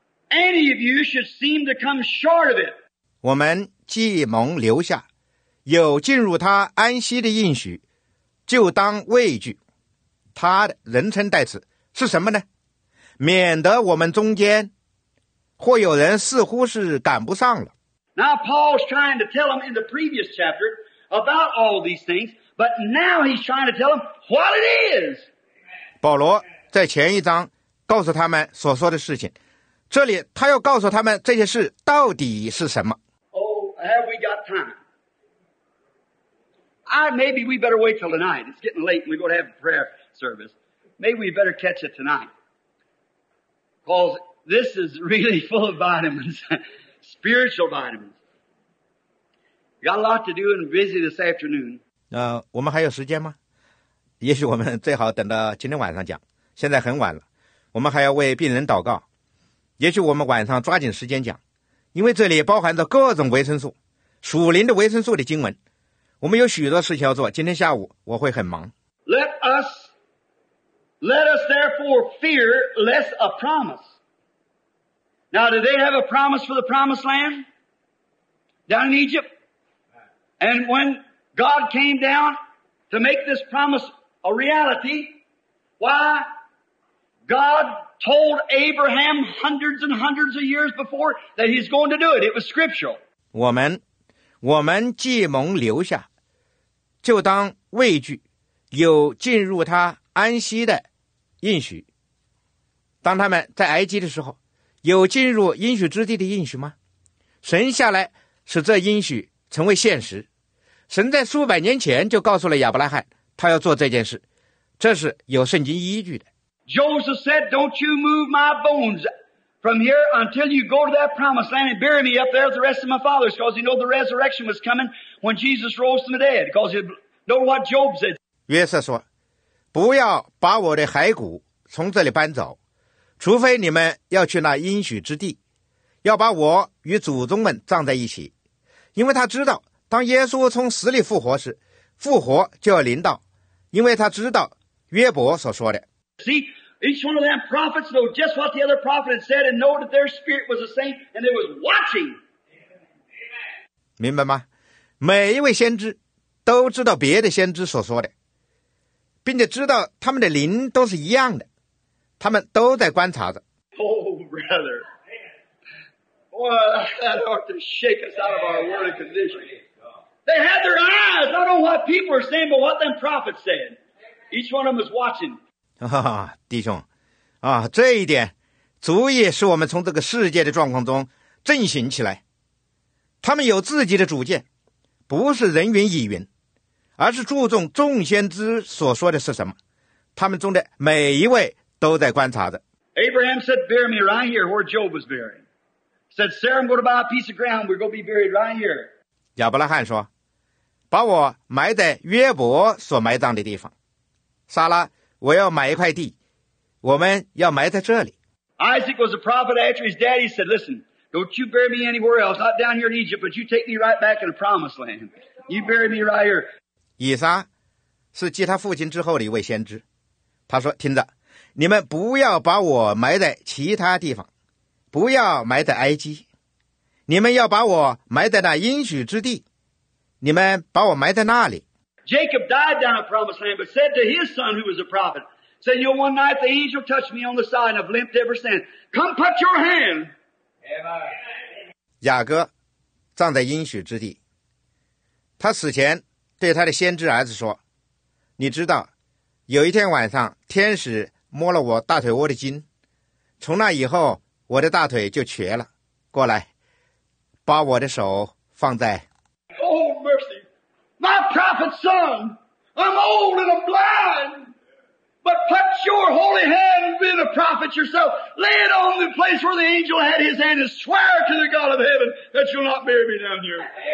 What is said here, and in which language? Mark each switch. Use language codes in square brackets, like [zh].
[en] Any of you should seem to come short of it. [zh] 我们既蒙留下，有进入他安息的应许，就当畏惧。他的人称代词是什么呢？免得我们中间或有人似乎是赶不上了。 [en] Now Paul's trying to tell them in the previous chapter about all these things, but now he's trying to tell them what it is. [zh] 保罗在前一章告诉他们所说的事情，这里他要告诉他们这些事到底是什么。 [en] Oh, have we got time? Maybe we better wait till tonight. It's getting late and we're going to have a prayerservice. Maybe we better catch it tonight. Because this is really full of vitamins, spiritual vitamins. We got a lot to do and busy this afternoon. [zh] 我们还有时间吗？也许我们最好等到今天晚上讲。现在很晚了，我们还要为病人祷告。也许我们晚上抓紧时间讲，因为这里包含着各种维生素，属灵的维生素的经文。我们有许多事情要做，今天下午我会很忙。 [en] Let us therefore fear lest a promise. Now, did they have a promise for the promised land down in Egypt? And when God came down to make this promise a reality, why? God told Abraham hundreds and hundreds of years before that he's going to do it. It was scriptural. [zh] 我们既蒙留下，就当畏惧，有进入他安息的应许。当他们在埃及的时候，有进入应许之地的应许吗？神下来使这应许成为现实。神在数百年前就告诉了亚伯拉罕，他要做这件事，这是有圣经依据的。 [en] Joseph said, "Don't you move my bones from here until you go to that promised land and bury me up there with the rest of my fathers, because you know the resurrection was coming when Jesus rose from the dead." Because you know what Job said. [zh] 约瑟说，不要把我的骸骨从这里搬走，除非你们要去那应许之地，要把我与祖宗们葬在一起，因为他知道当耶稣从死里复活时，复活就要临到，因为他知道约伯所说的。 [en] See, each one of them prophets know just what the other prophet had said and know that their spirit was the same and they was watching. [zh] 明白吗？每一位先知都知道别的先知所说的，并且知道他们的灵都是一样的，他们都在观察着。 [en] Oh, brother. Boy, that ought to shake us out of our worldly condition. They had their eyes not on what people were saying, but what them prophets said. Each one of them was watching. [zh] 弟兄，这一点足以使我们从这个世界的状况中振醒起来。他们有自己的主见，不是人云亦云，而是注重众先知所说的是什么。他们中的每一位都在观察着。 [en] Abraham said, "Bury me right here where Job was buried." Said Sarah, "I'm going to buy a piece of ground. We're going to be buried right here." [zh] 亚伯拉罕说，把我埋在约伯所埋葬的地方。撒拉，我要买一块地，我们要埋在这里。 [en] Isaac was a prophet after his daddy said, "Listen, don't you bury me anywhere else, not down here in Egypt, but you take me right back in the promised land. You bury me right here." [zh] 以撒是继他父亲之后的一位先知，他说，听着，你们不要把我埋在其他地方，不要埋在埃及，你们要把我埋在那应许之地，你们把我埋在那里。 [en] Jacob died down a promised land, but said to his son, who was a prophet, said, "You know, one night the angel touched me on the side, and I've limped ever since. Come, put your hand." [zh] 雅各葬在应许之地。他死前对他的先知儿子说：“你知道，有一天晚上，天使摸了我大腿窝的筋，从那以后，我的大腿就瘸了。过来，把我的手放在。” [en] Oh, mercy. My prophet's son, I'm old and I'm blind, but put your holy hand and be the prophet yourself. Lay it on the place where the angel had his hand and swear to the God of heaven that you'll not bury me down here.